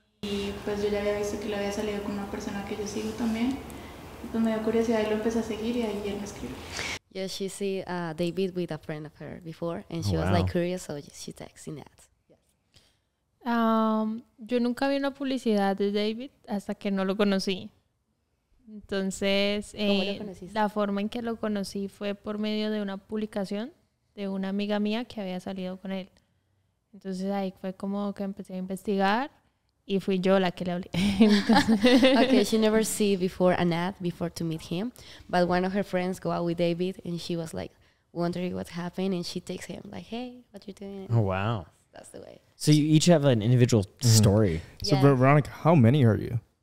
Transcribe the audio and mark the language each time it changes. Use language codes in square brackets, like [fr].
[es] Y pues yo ya había visto que le había salido con una persona que yo sigo también. Entonces me dio curiosidad y lo empecé a seguir y ahí él me escribió. [en] Yes, she see David with a friend of her before and she was like curious, so she texts in ads. [es] Yo nunca vi una publicidad de David hasta que no lo conocí. Entonces, la forma en que lo conocí fue por medio de una publicación de una amiga mía que había salido con él. Entonces ahí fue como que empecé a investigar y fui yo la que le hablé. [en] Okay, she never see before an ad before to meet him, but one of her friends go out with David and she was like wondering what happened and she takes him like, hey, what you doing? Oh wow, that's the way. So you each have an individual story. So yeah. Veronica, how many are you?